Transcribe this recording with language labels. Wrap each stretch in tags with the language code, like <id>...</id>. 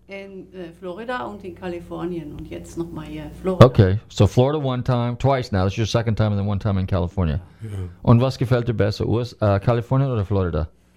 <de>In Florida und in Kalifornien, und jetzt nochmal hier Florida.</de> <en>Okay, so Florida one time, twice now. This is your second time, and then one time in California. Yeah.</en> <de>Und was gefällt dir besser, Kalifornien oder Florida?</de>